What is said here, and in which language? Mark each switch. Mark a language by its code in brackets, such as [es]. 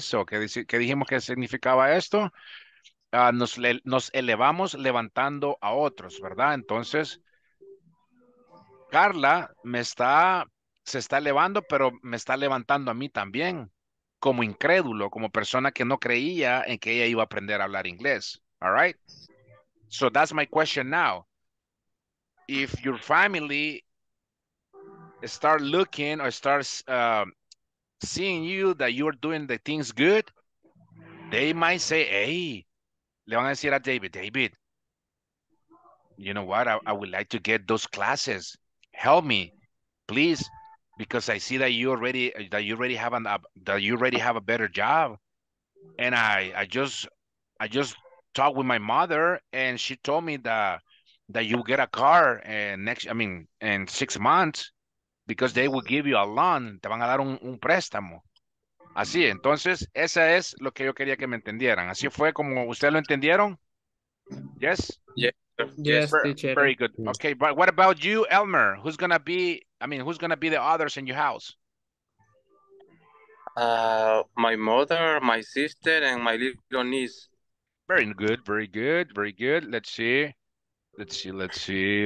[es] So, ¿qué dijimos que significaba esto? Nos elevamos levantando a otros, ¿verdad? Entonces, Carla se está elevando, pero me está levantando a mí también, como incrédulo, como persona que no creía en que ella iba a aprender a hablar inglés. [en] All right? So that's my question now. If your family start looking or starts seeing you, that you're doing the things good, they might say, hey, [es] le van a decir a David, [en] you know what? I would like to get those classes. Help me, please, because I see that you already have a better job, and I just talked with my mother, and she told me that you get a car in 6 months, because they will give you a loan, [es] te van a dar un préstamo, así. Entonces, esa es lo que yo quería que me entendieran. Así fue como ustedes lo entendieron. Yes. [en] Yeah. Yes, teacher. Very good. Okay, but what about you, Elmer? Who's going to be I mean, who's going to be the others in your house? My mother, my sister, and my little niece. Very good, very good, very good. Let's see. Let's see, let's see.